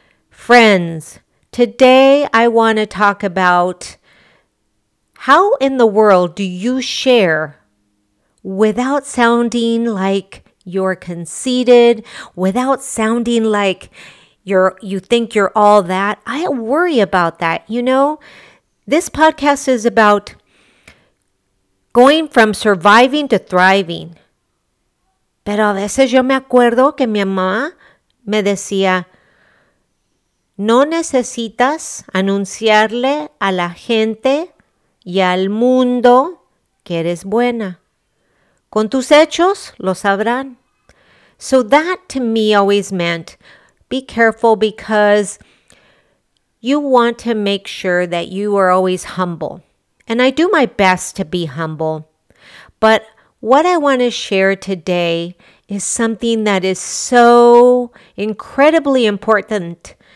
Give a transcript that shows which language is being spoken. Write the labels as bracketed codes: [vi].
[en] Friends, today I want to talk about how in the world do you share without sounding like you're conceited, without sounding like you think you're all that. I worry about that. You know, this podcast is about going from surviving to thriving. [es] Pero a veces yo me acuerdo que mi mamá me decía, no necesitas anunciarle a la gente y al mundo que eres buena. Con tus hechos lo sabrán. [en] So that to me always meant, be careful because you want to make sure that you are always humble. And I do my best to be humble. But what I want to share today is something that is so incredibly important.